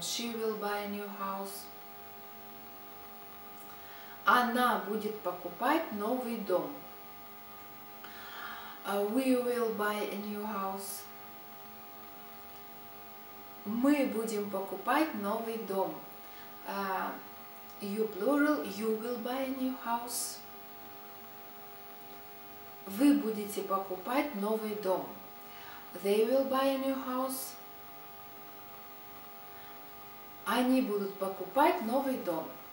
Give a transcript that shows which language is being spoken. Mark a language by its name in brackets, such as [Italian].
[English] She will buy a new house. [Russian] Она будет покупать новый дом. [English] We will buy a new house. [Russian] Мы будем покупать новый дом. [English] You plural, you will buy a new house. [Russian] Вы будете покупать новый дом. [English] They will buy a new house. [Russian] Они будут покупать новый дом.